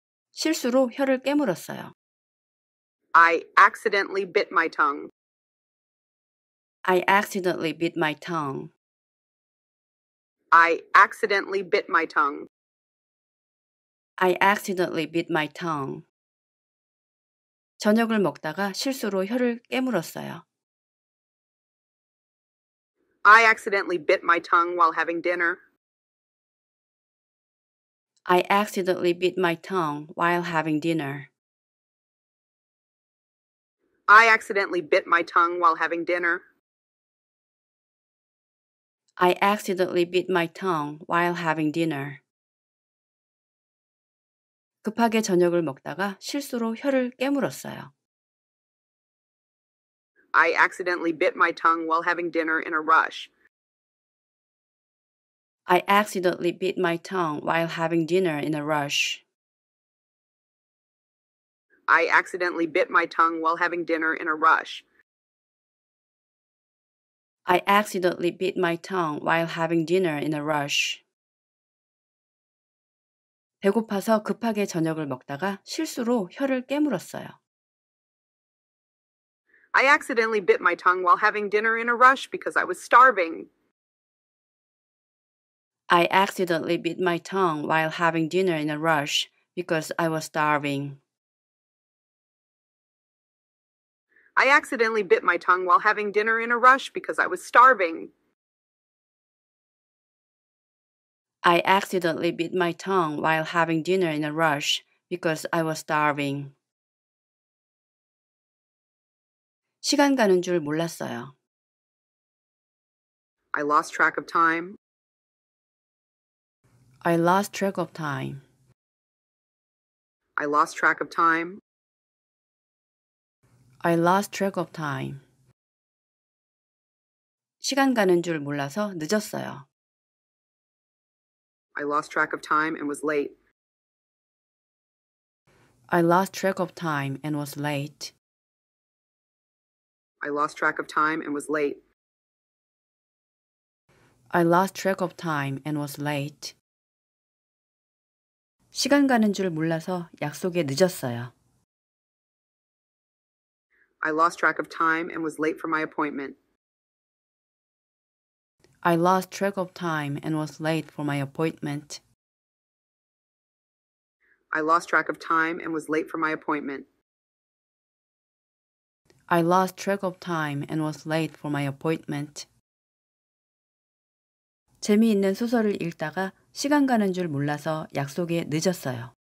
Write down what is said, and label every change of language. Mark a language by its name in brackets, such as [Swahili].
[Korean] 실수로 혀를 깨물었어요. [English] I accidentally bit my tongue. I accidentally bit my tongue. I accidentally bit my tongue. I accidentally bit my tongue. [Korean] 저녁을 먹다가 실수로 혀를 깨물었어요. [English] I accidentally bit my tongue while having dinner. I accidentally bit my tongue while having dinner. I accidentally bit my tongue while having dinner. I accidentally bit my tongue while having dinner. [Korean] 급하게 저녁을 먹다가 실수로 혀를 깨물었어요. [English] I accidentally bit my tongue while having dinner in a rush. I accidentally bit my tongue while having dinner in a rush. I accidentally bit my tongue while having dinner in a rush. I accidentally bit my tongue while having dinner in a rush. [Korean] 배고파서 급하게 저녁을 먹다가 실수로 혀를 깨물었어요. [English] I accidentally bit my tongue while having dinner in a rush because I was starving. I accidentally bit my tongue while having dinner in a rush because I was starving. I accidentally bit my tongue while having dinner in a rush because I was starving. I accidentally bit my tongue while having dinner in a rush because I was starving. [Korean] 시간 가는 줄 몰랐어요. [English] I lost track of time. I lost track of time. I lost track of time. I lost track of time. [Korean] 시간 가는 줄 몰라서 늦었어요. [English] I lost track of time and was late. I lost track of time and was late. I lost track of time and was late. I lost track of time and was late. [Korean] 시간 가는 줄 몰라서 약속에 늦었어요. [English] I lost track of time and was late for my appointment. I lost track of time and was late for my appointment. I lost track of time and was late for my appointment. I lost track of time and was late for my appointment. [Korean] 재미있는 소설을 읽다가 시간 가는 줄 몰라서 약속에 늦었어요.